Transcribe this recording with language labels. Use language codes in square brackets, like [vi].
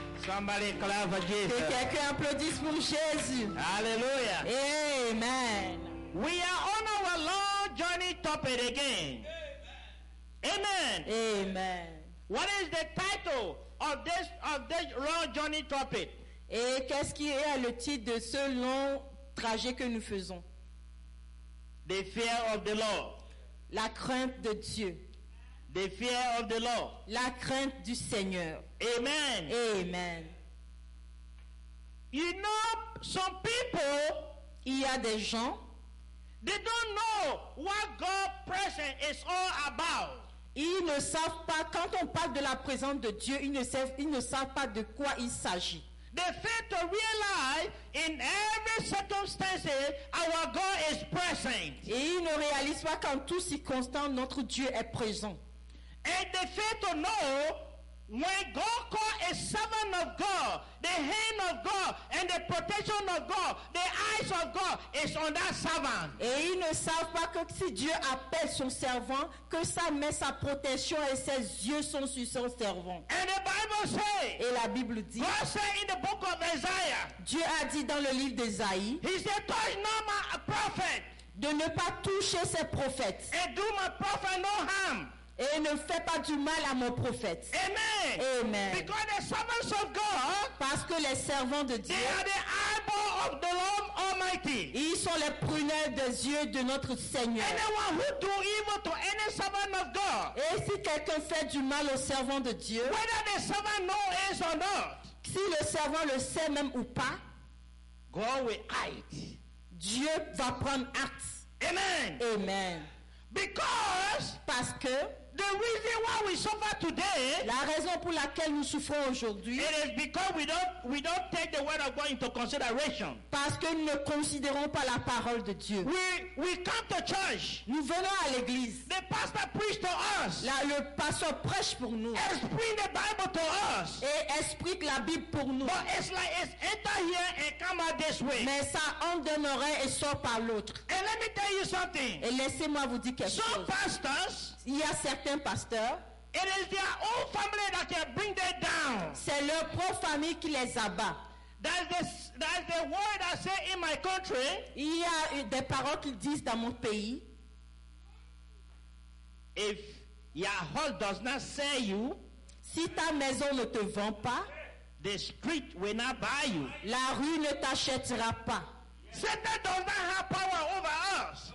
[en] Somebody clap for Jesus. [fr] Que quelqu'un applaudisse pour Jésus. Alléluia. [en] Amen. We are on our long journey topic again. Amen. Amen. What is the title of this long journey topic? [fr] Et qu'est-ce qui est le titre de ce long trajet que nous faisons? [en] The fear of the Lord. [fr] La crainte de Dieu. [en] The fear of the Lord. [fr] La crainte du Seigneur. [en] Amen. Amen. You know, some people, [fr] il y a des gens, [en] they don't know what God's presence is all about. [fr] Ils ne savent pas, quand on parle de la présence de Dieu, ils ne savent pas de quoi il s'agit. [en] They fail to realize in every circumstance our God is present. [fr] Et ils ne réalisent pas qu'en toutes circonstances notre Dieu est présent. [en] And they fail to know when God calls a servant of God, the hand of God and the protection of God, the eyes of God is on that servant. [fr] Et ils ne savent pas que si Dieu appelle son servant, que sa main, sa protection et ses yeux sont sur son servant. [en] And the Bible says, [fr] et la Bible dit, [en] God said in the book of Isaiah, [fr] Dieu a dit dans le livre d'Esaïe, [en] he said, touch not my prophet, [fr] de ne pas toucher ses prophètes, [en] and do my prophet no harm. [fr] Et ne fais pas du mal à mon prophète. [en] Amen. Amen. Because the servants of God, [fr] parce que les servants de Dieu, [en] they are the eyeball of the Lord Almighty. [fr] Ils sont les prunelles des yeux de notre Seigneur. [en] Anyone who do evil to any servant of God, [fr] et si quelqu'un fait du mal au servant de Dieu, [en] whether the servant know it or not, [fr] si le servant le sait même ou pas, [en] God will hide. [fr] Dieu va prendre acte. [en] Amen. Amen. Because, [fr] parce que, [en] the reason why we suffer today, [fr] la raison pour laquelle nous souffrons aujourd'hui, [en] it is because we don't take the word of God into consideration. [fr] Parce que nous ne considérons pas la parole de Dieu. [en] We come to church. [fr] Nous venons à l'église. [en] The pastor preaches to us. [fr] Le pasteur prêche pour nous. [en] Explain the Bible to us. [fr] Et explique la Bible pour nous. [en] But it's like it's enter here and come out this way. [fr] Mais ça entre une oreille et sort par l'autre. [en] And let me tell you something. [fr] Et laissez-moi vous dire quelque [en] Some [fr] chose. [en] Pastors. [fr] Il y a certains pasteurs. [en] It is their own family that can bring them down. [fr] C'est leur propre famille qui les abat. [en] That's the word I say in my country. [fr] Il y a des paroles qu'ils disent dans mon pays. [en] If your house does not sell you, [fr] si ta maison ne te vend pas, [en] the street will not buy you. [fr] La rue ne t'achètera pas. [en] Satan does not have power over us.